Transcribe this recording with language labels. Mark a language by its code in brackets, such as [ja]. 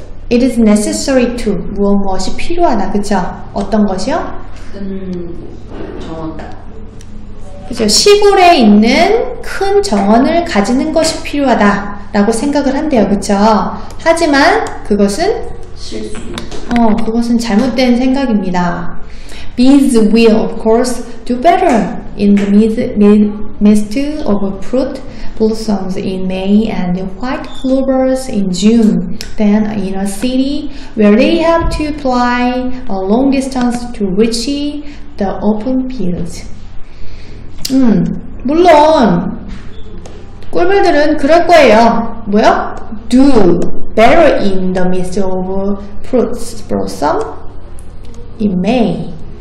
[en] It is necessary to [ko] 무엇이 필요하다, 그쵸? 어떤 것이요? 큰 정원. 그죠? 시골에 있는 큰 정원을 가지는 것이 필요하다라고 생각을 한대요, 그쵸? 하지만 그것은 실수. 그것은 잘못된 생각입니다. [en] Bees will, of course, do better in the midst of fruit blossoms in May and white clovers in June than in a city where they have to fly a long distance to reach the open fields. [ko] 물론 꿀벌들은 그럴 거예요. 뭐요? [en] Do better in the midst of fruits blossom in May.